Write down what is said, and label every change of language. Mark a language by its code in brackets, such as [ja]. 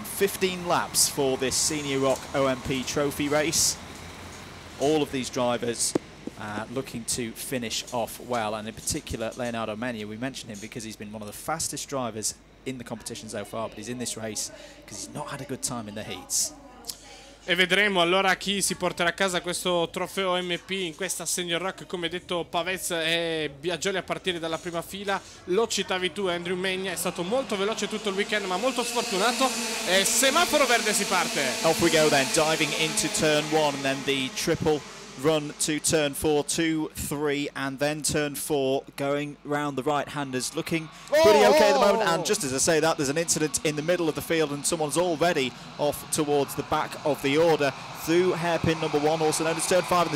[en] 15 laps for this Senior Rock OMP Trophy race. All of these drivers looking to finish off well, and in particular Leonardo Meña. We mentioned him because he's been one of the fastest drivers in the competition so far, but he's in this race because he's not had a good time in the heats. [it] E vedremo allora chi si porterà a casa questo trofeo MP in questa Senior Rock. Come detto, Pavez e Biagioli a partire dalla prima fila. Lo citavi tu, Andrew Meña, è stato molto veloce tutto il weekend, ma molto sfortunato. E semaforo verde, si parte. [en] Off we go then, diving into turn one, then the triple run to turn four, two, three, and then turn four, going round the right-handers, looking pretty okay at the moment. And just as I say that, there's an incident in the middle of the field, and someone's already off towards the back of the order through hairpin number one, also known as turn five.